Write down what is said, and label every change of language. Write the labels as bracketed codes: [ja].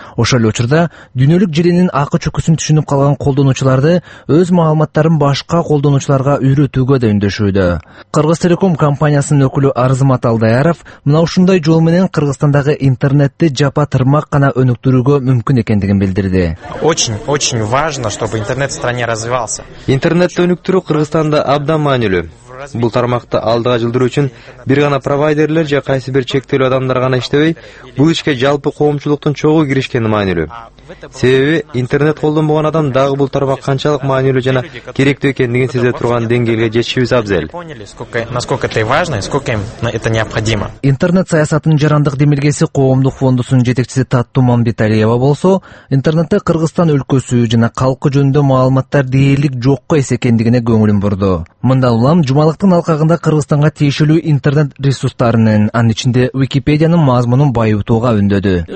[ky] Ошол эле учурда дүйнөлүк желенин акы чөкүсүн түшүнүп калган колдонуучуларды өз маалыматтарын башка колдонуучуларга үйрөтүүгө да үндөшүүдө. Кыргызтелеком компаниясынын өкүлү Арзымат Алдаяров мына ушундай жол менен Кыргызстандагы интернетти жапа тырмак гана өнүктүрүүгө мүмкүн экендигин билдирди. [ru] Очень важно, чтобы интернет в стране развивался. [ky] Интернетти өнүктүрүү Кыргызстанда абдан маанилүү. Бул тармакты алдыга жылдыруу үчүн бир гана провайдерлер же кайсы бир чектелүү адамдар гана иштебей, бул ишке жалпы коомчулуктун чогуу киришкени маанилүү. Себеби интернет колдонбогон адам дагы бул тармак канчалык маанилүү жана керектүү экендигин сезе турган деңгээлге жетишибиз абзел. [ru] Насколько это важно и сколько им это необходимо. [ky] Интернет саясатынын жарандык демилгеси коомдук фондусунун жетекчиси Таттуу Мамбеталиева болсо, интернетте Кыргызстан өлкөсү жана калкы жөнүндө маалыматтар дээрлик жокко эс экендигине көңүлүн бурду. Мындан улам жумалыктын алкагында Кыргызстанга тиешелүү интернет ресурстарынын, анын ичинде Википедиянын мазмунун байытууга үндөдү.